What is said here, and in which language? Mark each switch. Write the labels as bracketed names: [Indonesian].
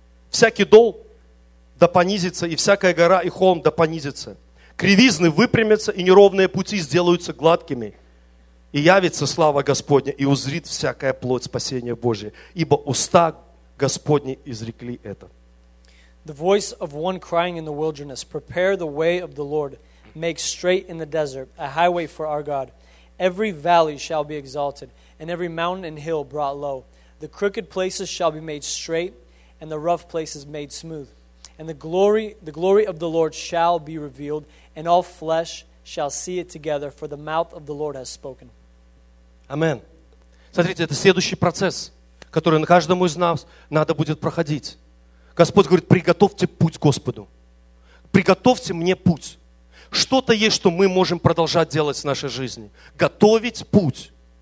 [Russian] Всякий дол да понизится, и всякая гора и холм да понизится. Кривизны выпрямятся, и неровные пути сделаются гладкими. И явится слава Господня, и узрит всякая плоть спасения Божия. Ибо уста Господни изрекли это. [English] The voice of one crying in the wilderness, prepare the way of the Lord, make straight in the desert a highway for our God. Every valley shall be exalted, and every mountain and hill brought low. The crooked places shall be made straight, and the rough places made smooth. And the glory of the Lord shall be revealed, and all flesh shall see it together, for the mouth of the Lord has spoken. Amen. [Russian] Смотрите, это следующий процесс, который на каждому из нас надо будет проходить. Господь говорит, приготовьте путь Господу. Приготовьте мне путь. Что-то есть, что мы можем продолжать делать в нашей жизни. Готовить путь.